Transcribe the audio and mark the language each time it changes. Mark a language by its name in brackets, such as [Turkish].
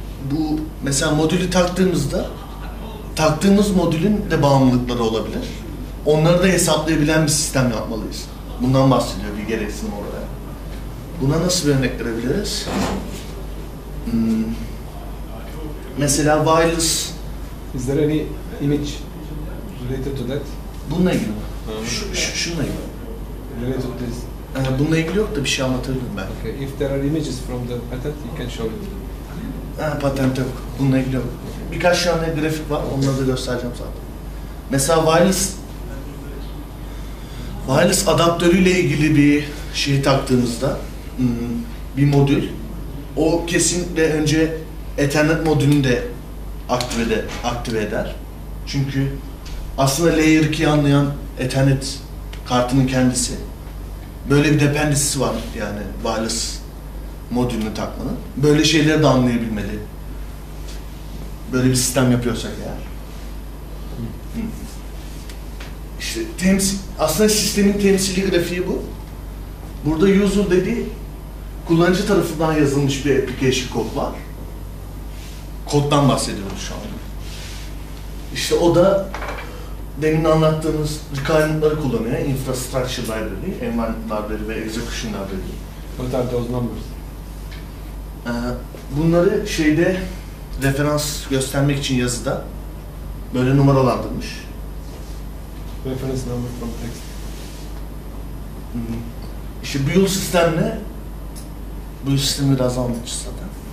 [Turkish] bu mesela modülü taktığımızda, taktığımız modülün de bağımlılıkları olabilir. Onları da hesaplayabilen bir sistem yapmalıyız. Bundan bahsediyor bir gereksinim orada. Buna nasıl bir örnek verebiliriz? Mesela wireless... [English] Is there any image related to that? [Turkish] Bununla ilgili mi? Şununla ilgili mi? [English] Related to this. [Turkish] Yani bununla ilgili yok da bir şey anlatabilirim ben. [English] Okay. If there are images from the patent, you can show it. [Turkish] Patent yok. Bununla ilgili yok. Birkaç tane grafik var, onları da göstereceğim zaten. Mesela wireless adaptörüyle ilgili bir şey taktığınızda, bir modül, o kesinlikle önce Ethernet modülünü de aktive eder. Çünkü aslında Layer 2'yi anlayan Ethernet kartının kendisi. Böyle bir dependency'si var yani wireless modülünü takmanın. Böyle şeyleri de anlayabilmeli. Böyle bir sistem yapıyorsak eğer. İşte aslında sistemin temsili grafiği bu. Burada user dediği kullanıcı tarafından yazılmış bir application kod var. Koddan bahsediyoruz şu anda. İşte o da demin anlattığımız requirement'ları kullanıyor. [English] Infrastructure library, environment library ve execution library. What are those numbers? [Turkish] Bunları şeyde referans göstermek için yazıda böyle numaralandırmış. [English] Reference number from text. [Turkish] İşte build sistemle bu sistemi biraz anlatmış zaten.